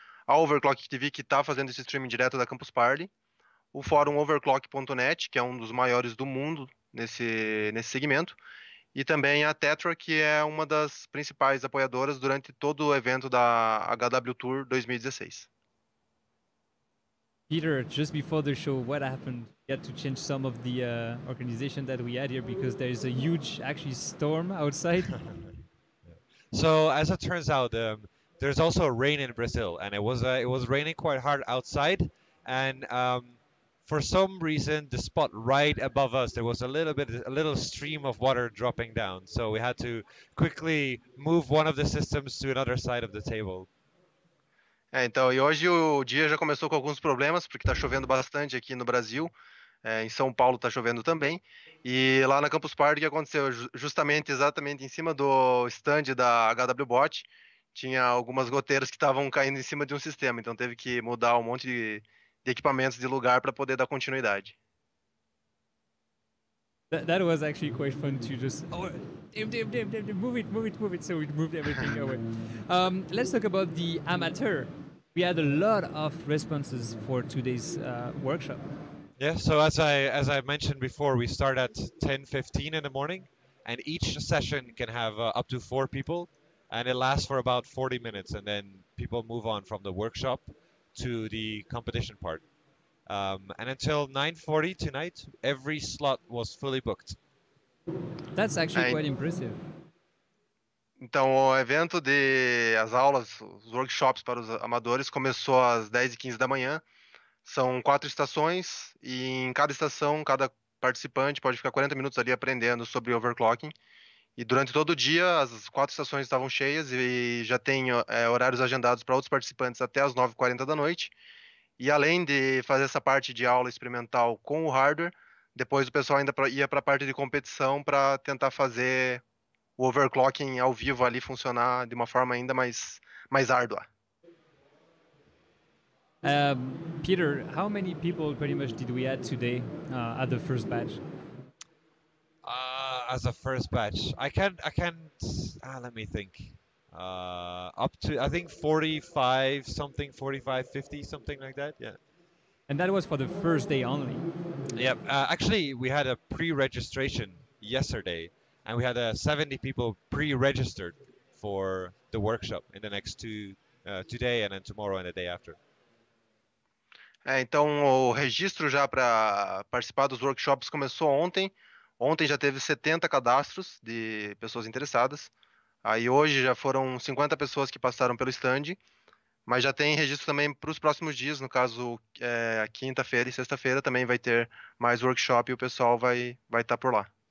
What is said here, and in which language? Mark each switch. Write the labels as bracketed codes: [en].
[pt] A Overclocking TV, que está fazendo esse stream direto da Campus Party. O fórum Overclock.net, que é um dos maiores do mundo nesse segmento. E também a Tetra, que é uma das principais apoiadoras durante todo o evento da HW Tour 2016. [en] Peter, just before the show, what happened? We had to change some of the organization that we had here because there is a huge, actually, storm outside. So as it turns out, there's also rain in Brazil, and it was raining quite hard outside, and for some reason, the spot right above us, there was a little stream of water dropping down. So we had to quickly move one of the systems to another side of the table. [pt] É, então, e hoje o dia já começou com alguns problemas, porque está chovendo bastante aqui no Brasil, em São Paulo está chovendo também. E lá na Campus Party, o que aconteceu? Justamente, exatamente em cima do stand da HWBOT, tinha algumas goteiras que estavam caindo em cima de um sistema, então teve que mudar um monte de equipamentos de lugar para poder dar continuidade. [en] That was actually quite fun to just, oh, damn, move it. So we moved everything away. Let's talk about the amateur. We had a lot of responses for today's workshop. Yeah, so as I mentioned before, we start at 10:15 in the morning, and each session can have up to four people, and it lasts for about 40 minutes, and then people move on from the workshop to the competition part. And until 9:40 tonight, every slot was fully booked. That's actually quite impressive. [pt] Então, o evento de as aulas, os workshops para os amadores começou às 10:15 da manhã. São quatro estações e em cada estação, cada participante pode ficar 40 minutos ali aprendendo sobre overclocking. E durante todo o dia, as quatro estações estavam cheias e já tem horários agendados para outros participantes até às 9:40 da noite. E além de fazer essa parte de aula experimental com o hardware, depois o pessoal ainda ia para a parte de competição para tentar fazer o overclocking ao vivo ali funcionar de uma forma ainda mais árdua. [en] Peter, how many people pretty much did we add today at the first batch? As a first batch, I can't, let me think. Up to, I think 45 something, 45, 50, something like that, yeah. And that was for the first day only. Yep, actually, we had a pre-registration yesterday, and we had 70 people pre-registered for the workshop in the next today and then tomorrow and the day after. [pt] É, então, o registro já para participar dos workshops começou ontem. Ontem já teve 70 cadastros de pessoas interessadas. Aí hoje já foram 50 pessoas que passaram pelo stand. Mas já tem registro também para os próximos dias. No caso, a quinta-feira e sexta-feira também vai ter mais workshop e o pessoal vai estar por lá.